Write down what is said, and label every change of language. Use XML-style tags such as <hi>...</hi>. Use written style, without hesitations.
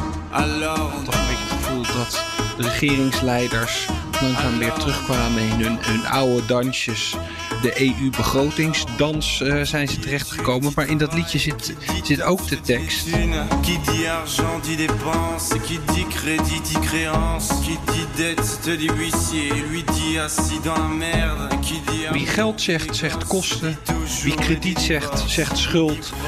<fr>Alors.</fr> <nl>Toch een beetje het gevoel dat de regeringsleiders langzaam weer terugkwamen in hun oude dansjes. De EU-begrotingsdans zijn ze terechtgekomen. Maar in dat liedje zit ook de tekst.</nl> <fr>Qui dit argent dit dépense, qui dit crédit dit créance, qui dit dette te dit huissier, lui dit assis dans la merde.</fr> <nl>Wie geld zegt, zegt kosten. Wie krediet zegt, zegt schuld.</nl>